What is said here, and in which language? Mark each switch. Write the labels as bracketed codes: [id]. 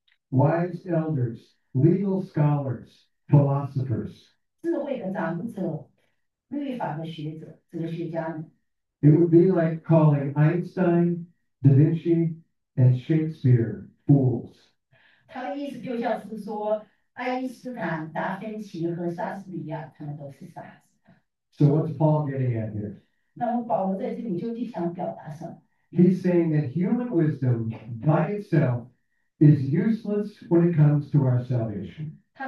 [en] Wise elders, legal scholars, philosophers. [zh] 智慧的长者，律法的学者，哲学家们。 [en] It would be like calling Einstein, Da Vinci, and Shakespeare fools. [zh] 他的意思就像是说， 爱因斯坦、达芬奇和莎士比亚，他们都是傻子。 [en] So what's Paul getting at here? [zh] 那么保罗在这里究竟想表达什么？ [en] He's saying that human wisdom by itself is useless when it comes to our salvation.